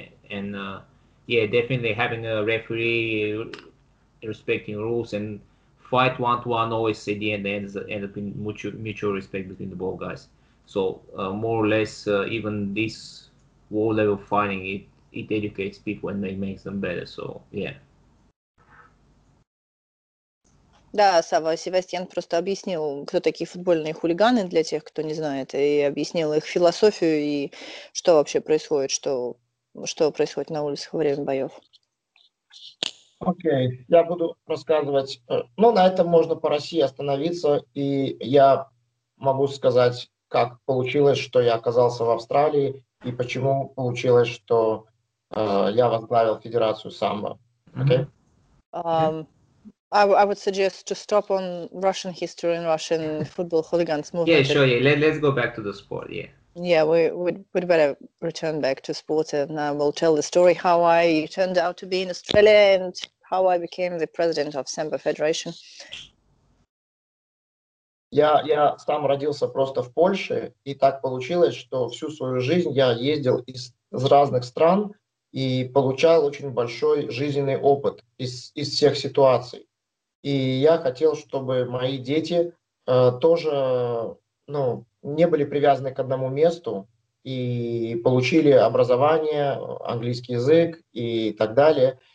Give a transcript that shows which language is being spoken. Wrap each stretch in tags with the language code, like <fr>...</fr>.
<en>And yeah, definitely having a referee respecting rules and fight one to one always at the end ends up in mutual respect between the both guys. So more or less, even this world level fighting, it educates people and it makes them better. So yeah.</en> <ru>Да, Сава, Севастьян просто объяснил, кто такие футбольные хулиганы, для тех, кто не знает, и объяснил их философию и что вообще происходит, что происходит на улицах во время боев. Окей, я буду рассказывать. Ну, на этом можно по России остановиться, и я могу сказать, как получилось, что я оказался в Австралии, и почему получилось, что я возглавил федерацию самбо. Окей?</ru> <en>I would suggest to stop on Russian history and Russian football hooligans movement. Yeah, sure. Yeah. Let's go back to the sport. Yeah. Yeah, we'd better return back to sport, and I will tell the story how I turned out to be in Australia and how I became the president of Samba Federation.</en> <ru>Я сам родился просто в Польше, и так получилось, что всю свою жизнь я ездил из разных стран и получал очень большой жизненный опыт из всех ситуаций. И я хотел, чтобы мои дети тоже, ну, не были привязаны к одному месту и получили образование, английский язык и так далее.</ru>